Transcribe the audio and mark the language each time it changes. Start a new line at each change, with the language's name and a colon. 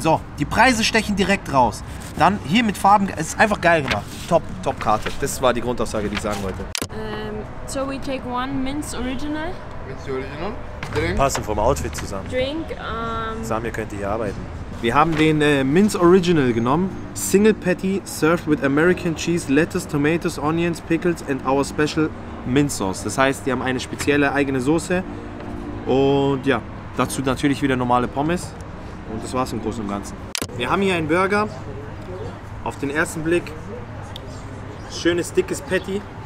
German: So, die Preise stechen direkt raus. Dann hier mit Farben, es ist einfach geil gemacht. Top, top Karte. Das war die Grundaussage, die ich sagen wollte.
English: So we take one Mint's Original. Mint's Original.
German: Passen vom Outfit zusammen.
English: Drink,
German: Samir könnte hier arbeiten. Wir haben den Mint's Original genommen.
English: Single Patty served with American Cheese, Lettuce, Tomatoes, Onions, Pickles and our special Mint Sauce.
German: Das heißt, die haben eine spezielle eigene Soße. Und ja, dazu natürlich wieder normale Pommes. Und das war's im Großen und Ganzen. Wir haben hier einen Burger. Auf den ersten Blick schönes, dickes Patty.